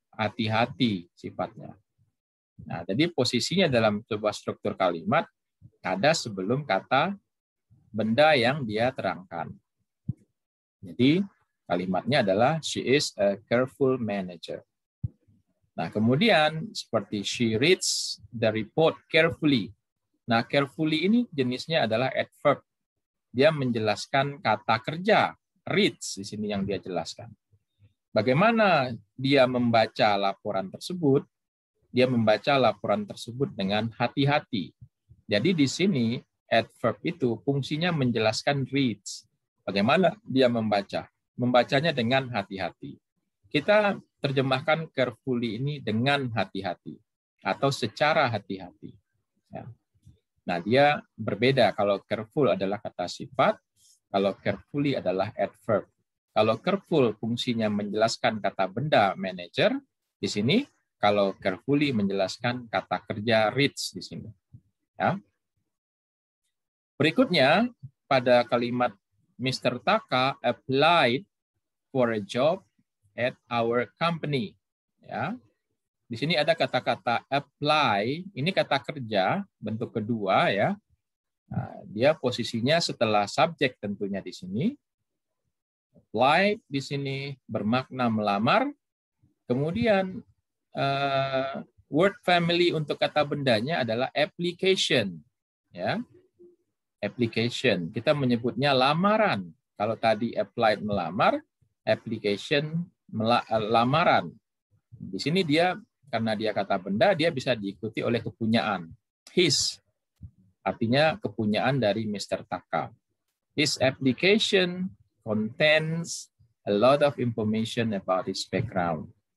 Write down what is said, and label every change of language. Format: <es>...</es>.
<id>Hati-hati sifatnya. Nah, jadi posisinya dalam sebuah struktur kalimat ada sebelum kata benda yang dia terangkan. Jadi kalimatnya adalah</id> <en>she is a careful manager.</en> <id>Nah, kemudian seperti</id> <en>she reads the report carefully.</en> <id>Nah, carefully ini jenisnya adalah adverb. Dia menjelaskan kata kerja, reads di sini yang dia jelaskan. Bagaimana dia membaca laporan tersebut? Dia membaca laporan tersebut dengan hati-hati. Jadi di sini adverb itu fungsinya menjelaskan reads. Bagaimana dia membaca? Membacanya dengan hati-hati. Kita terjemahkan carefully ini dengan hati-hati atau secara hati-hati. Ya. Nah, dia berbeda. Kalau careful adalah kata sifat, kalau carefully adalah adverb. Kalau careful fungsinya menjelaskan kata benda manager di sini, kalau carefully menjelaskan kata kerja reads di sini. Ya. Berikutnya, pada kalimat Mr.</id> <en>Taka applied for a job at our company.</en> <id>Ya. Di sini ada kata-kata apply, ini kata kerja, bentuk kedua ya. Nah, dia posisinya setelah subjek tentunya di sini. Apply di sini bermakna melamar. Kemudian word family untuk kata bendanya adalah application. Ya. Application, kita menyebutnya lamaran. Kalau tadi applied melamar, application lamaran. Di sini dia karena dia kata benda, dia bisa diikuti oleh kepunyaan. His, artinya kepunyaan dari Mr. Taka.</id> <en>His application contains a lot of information about his background.</en>